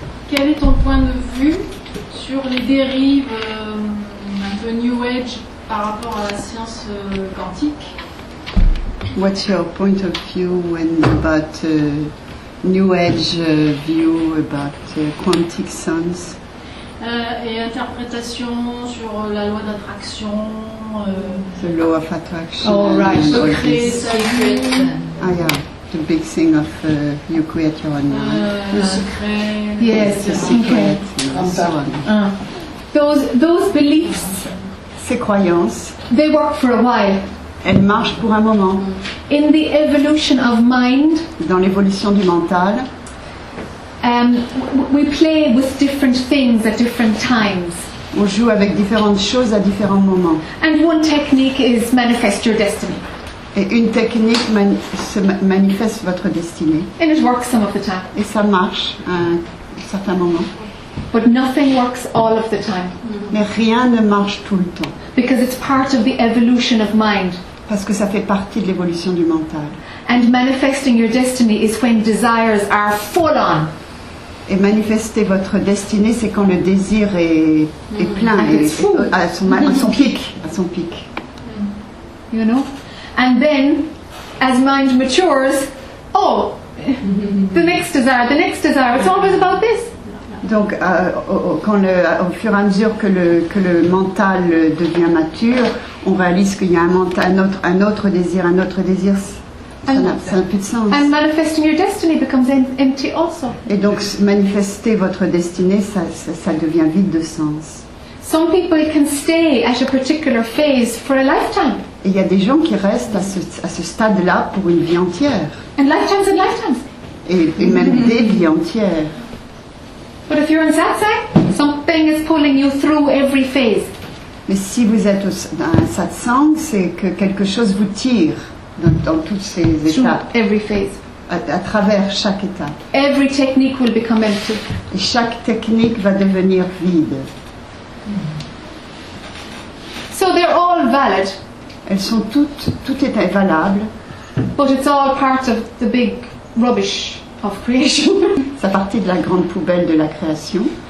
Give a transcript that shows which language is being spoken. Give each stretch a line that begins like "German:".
French: Quel est ton point de vue sur les dérives un peu New Age par rapport à la science quantique?
English: What's your point of view when about New Age view about quantum science.
French: Et interprétation sur la loi d'attraction.
English: The law of attraction. Oh, right. The secret. Ah, yeah. The big thing of you create your own mind.
French: Le secret.
English: Yes, the secret. Okay. And so on. Those beliefs.
French: Ces croyances.
English: They work for a while.
French: Elle marche pour un moment.
English: In the evolution of mind,
French: dans l'évolution du mental,
English: we play with different things at different times.
French: On joue avec différentes choses à différents moments.
English: And one technique is manifest your destiny.
French: Et une technique manifeste votre destinée.
English: And it works some of the time.
French: Et ça marche à un certain moment.
English: But nothing works all of the time.
French: Mais rien ne marche tout le temps.
English: Because it's part of the evolution of mind.
French: Parce que ça fait partie de l'évolution du mental.
English: And manifesting your destiny is when desires are full on.
French: Et manifester votre destinée, c'est quand le désir est plein, à son pic. Mm.
English: You know? And then, as mind matures, the next desire, it's always about this.
French: Donc, au fur et à mesure que le mental devient mature, on réalise qu'il y a un autre désir. Ça n'a plus de sens.
English: And manifesting your destiny becomes empty also.
French: Et donc, manifester votre destinée, ça devient vide de sens.
English: Some people can stay at a particular phase for a lifetime.
French: Et il y a des gens qui restent à ce stade-là pour une vie entière.
English: And lifetimes and lifetimes.
French: Et même des vies entières.
English: But if you're on satsang, something is pulling you through every phase.
French: Mais si vous êtes dans un satsang, c'est que quelque chose vous tire dans toutes ces étapes.
English: Through every phase.
French: À travers chaque étape.
English: Every technique will become empty.
French: Et chaque technique va devenir vide.
English: So they're all valid.
French: Elles sont tout est valable.
English: But it's all part of the big rubbish of creation.
French: Ça partie de la grande poubelle de la création.